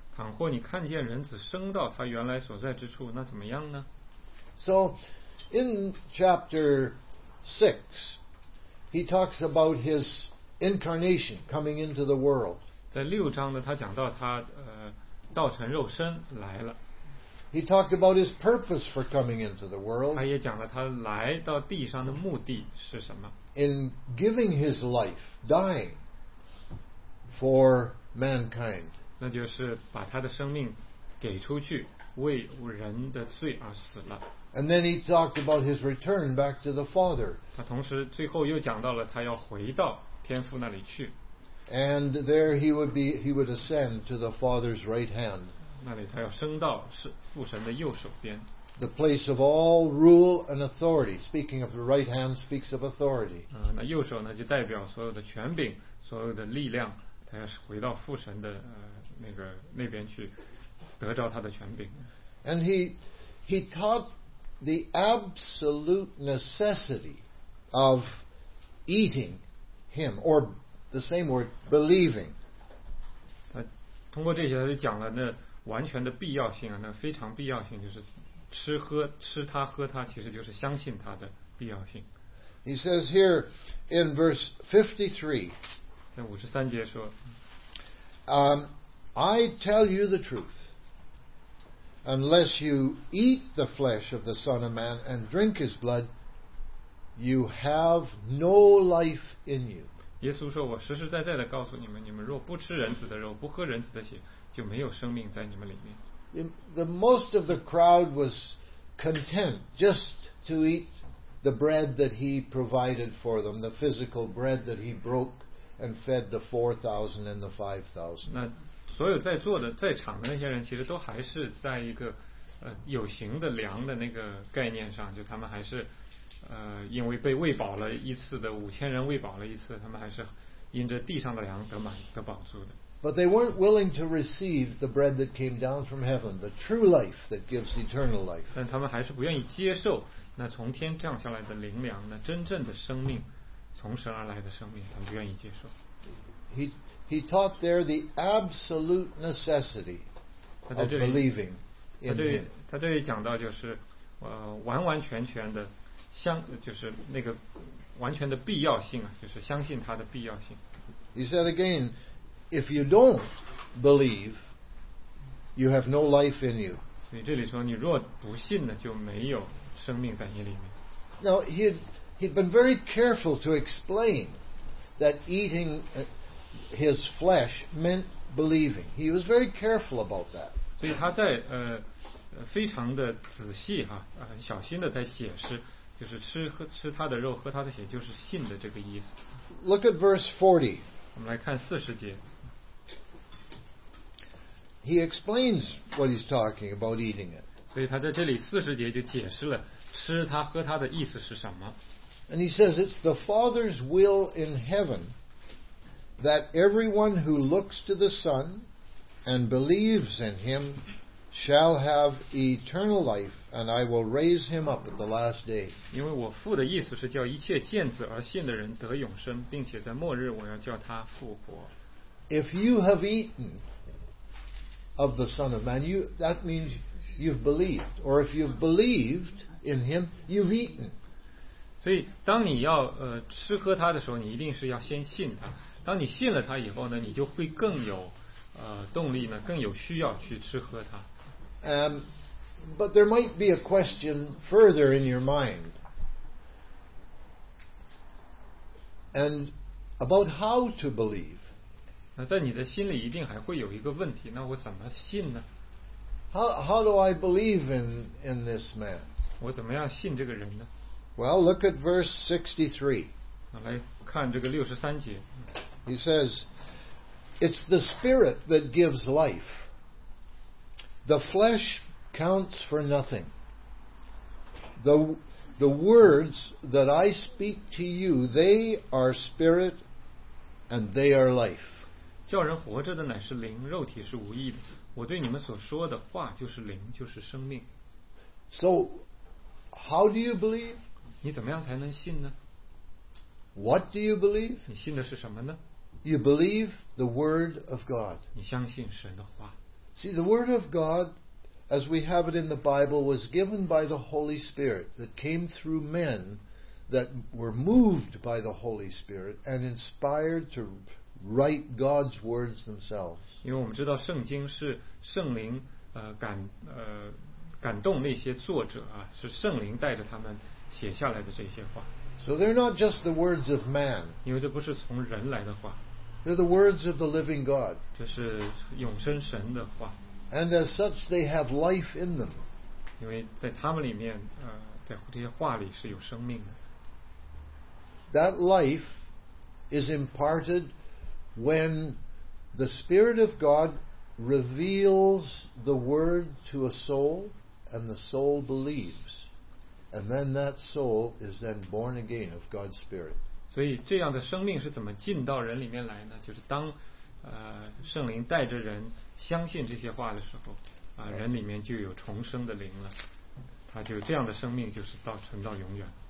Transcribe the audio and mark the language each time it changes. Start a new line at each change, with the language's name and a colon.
Chinese: 倘或你看见人子升到他原来所在之处，那怎么样呢？
English: So, in chapter 6, he talks about his incarnation coming into the world.
Chinese: 在六章呢，他讲到他道成肉身来了。
English: He talked about his purpose for coming into the world.
Chinese: 他也讲了他来到地上的目的是什么。
English: In giving his life, dying for mankind.
Chinese: 那就是把他的生命给出去，为人的罪而死了。
English: And then he talked about his return back to the Father.
Chinese: 他同时最后又讲到了他要回到天父那里去。
English: And there he would ascend to the Father's right hand.
Chinese: 那里他要升到父神的右手边。
English: The place of all rule and authority. Speaking of the right hand, speaks of authority.
Chinese: 那右手呢，就代表所有的权柄，所有的力量。他要回到父神的那边去，得着他的权柄。
English: And he taught the absolute necessity of eating him, or the same word, believing.
Chinese: 他通过这些，他就讲了那完全的必要性啊，那非常必要性就是。吃他喝他其实就是相信他的必要性。
English: He says here in verse 53，
Chinese: 在五十三节说
English: ，I tell you the truth, unless you eat the flesh of the Son of Man and drink His blood, you have no life in you。
Chinese: 耶稣说：“我实实在在的告诉你们，你们若不吃人子的肉，不喝人子的血，就没有生命在你们里面。”
English: The most of the crowd was content just to eat the bread that he provided for them, the physical bread that he broke and fed the 4,000 and the 5,000.
Chinese: 那所有在座的在场的那些人，其实都还是在一个有形的粮的那个概念上，就他们还是因为被喂饱了一次的五千人喂饱了一次，他们还是因着地上的粮得饱足的。
English: But they weren't willing to receive the bread that came down from heaven, the true life that gives eternal life.
Chinese: 但他们还是不愿意接受那从天降下来的灵粮，那真正的生命，从神而来的生命，他们不愿意接受。
English: He taught there the absolute necessity of believing in him.
Chinese: 他这里讲到就是完完全全的就是那个完全的必要性啊，就是相信他的必要性。
English: He said again,If you don't believe, you have no life in you.
Chinese: 所以这里说，你若不信呢，就没有生命在你里面。
English: Now he'd been very careful to explain that eating his flesh meant believing. He was very careful about that.
Chinese: 所以他在非常的仔细哈，很小心的在解释，就是吃他的肉，喝他的血，就是信的这个意思。
English: Look at verse 40.
Chinese: 我们来看四十节。
English: He explains what he's talking about eating it.
Chinese: 所以他在这里四十节就解释了吃他喝他的意思是什么。
English: And he says it's the Father's will in heaven that everyone who looks to the Son and believes in him shall have eternal life, and I will raise him up at the last day.
Chinese: 因为我父的意思是叫一切见子而信的人得永生，并且在末日我要叫他复活。
English: If you have eaten. Of the Son of Man, that means you've believed. Or if you've believed in Him, you've eaten.
Chinese: 所以当你要吃喝他的时候，你一定是要先信他。当你信了他以后呢，你就会更有动力呢，更有需要去吃喝他。
English: But there might be a question further in your mind, and about how to believe.
Chinese: 那在你的心里一定还会有一个问题，那我怎么信呢？
English: How do I believe in this man?
Chinese: 我怎么样信这个人呢？
English: Well, look at verse 63.
Chinese: 来看这个六十三节。
English: He says, It's the spirit that gives life. The flesh counts for nothing. The words that I speak to you, they are spirit and they are life.
Chinese: 叫人活着的乃是灵，肉体是无益的。我对你们所说的话就是灵，就是生命。
English: So, how do you believe?
Chinese: 你怎么样才能信呢？
English: What do you believe?
Chinese: 你信的是什么呢？
English: You believe the word of God.
Chinese: 你相信神的话。
English: See, the word of God, as we have it in the Bible, was given by the Holy Spirit that came through men that were moved by the Holy Spirit and inspired to write God's words themselves.
Chinese: 因为我们知道圣经是圣灵感动那些作者啊，是圣灵带着他们写下来的这些话。
English: So they're not just the words of man.
Chinese: 因为这不是从人来的话。
English: They're the words of the living God.
Chinese: 这是永生神的话。
English: And as such, they have life in them.
Chinese: 因为在他们里面，在这些话里是有生命的。
English: That life is imparted when the Spirit of God reveals the word to a soul, and the soul believes, and then that soul is then born again of God's Spirit.
Chinese: 所以这样的生命是怎么进到人里面来呢？就是当圣灵带着人相信这些话的时候，人里面就有重生的灵了，他就这样的生命就是到存到永远。